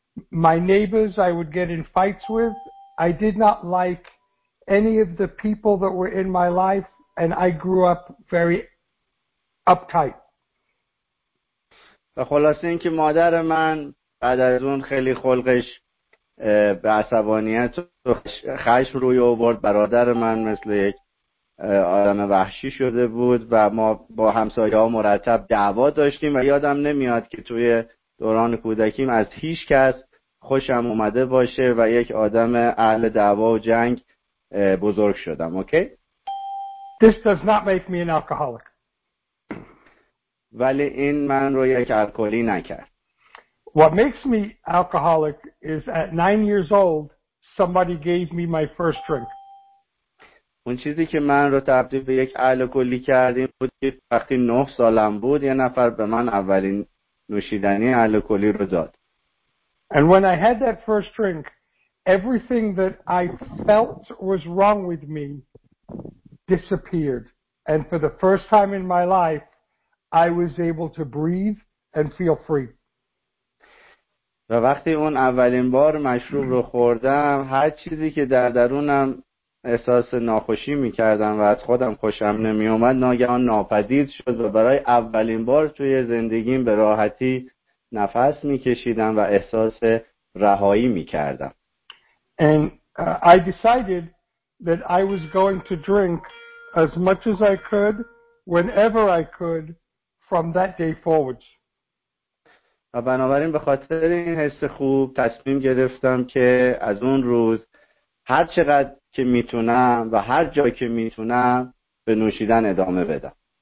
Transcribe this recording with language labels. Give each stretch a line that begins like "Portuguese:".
English: My neighbors I would get in fights with. I did not like any of the people that were in my life. And I grew up very uptight.
Persian: و خلاصه این که مادر من بعد از اون خیلی خلقش به عصبانیت و خشم روی آورد. برادر من مثل یک آدم وحشی شده بود و ما با همسایه‌ها مرتب دعوا داشتیم و یادم نمیاد که توی دوران کودکیم از هیچ کس خوشم اومده باشه و یک آدم اهل دعوا و جنگ بزرگ شدم. اوکی؟
English: This does not make me an alcoholic.
Persian: ولی این من رو یک الکلی نکرد.
English: What makes me alcoholic is at 9 years old somebody gave me my first drink.
Persian: اون چیزی که من رو تبدیل به یک الکلی کردیم بود که وقتی 9 سالم بود یه نفر به من اولین نوشیدنی الکلی رو داد.
English: And when I had that first drink, everything that I felt was wrong with me disappeared. And for the first time in my life, I was able to breathe and feel free.
Persian: و وقتی اون اولین بار مشروب رو خوردم، هر چیزی که در درونم احساس ناخوشی می‌کردم و از خودم خوشم نمی‌اومد، ناگهان ناپدید شد و برای اولین بار توی زندگیم به راحتی نفس می‌کشیدم و احساس رهایی می‌کردم.
English: And I decided that I was going to drink as much as I could whenever I could from that day forward.
Persian: و بنابراین به خاطر این حس خوب تصمیم گرفتم که از اون روز هر چقدر که میتونم و هر جایی که میتونم به نوشیدن ادامه بدم.